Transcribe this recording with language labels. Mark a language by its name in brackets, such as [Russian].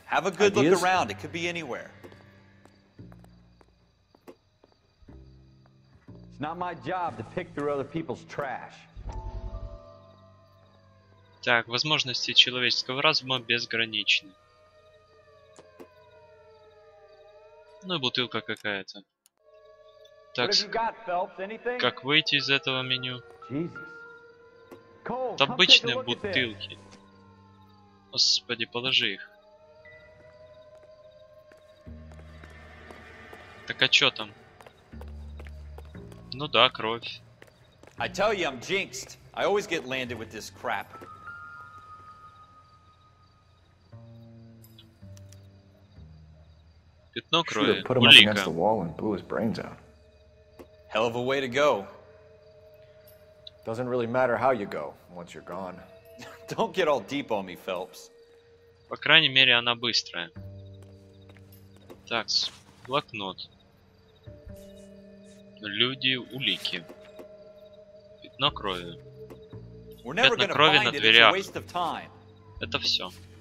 [English] Have a good look around. It could be anywhere. It's not my job to pick through other people's trash. [Russian] Так, возможности человеческого разума безграничны. Ну и бутылка какая-то. Так, как выйти из этого меню? Это обычные бутылки. Господи, положи их. Так а чё там? Ну да, кровь. Пятно крови. Улика. [English] Hell of a way to go. Doesn't really matter how you go once you're gone. Don't get all deep on me, Phelps. [Russian] По крайней мере, она быстрая. Так, блокнот. Люди, улики. Пятно крови. Пятно крови на дверях. Это все.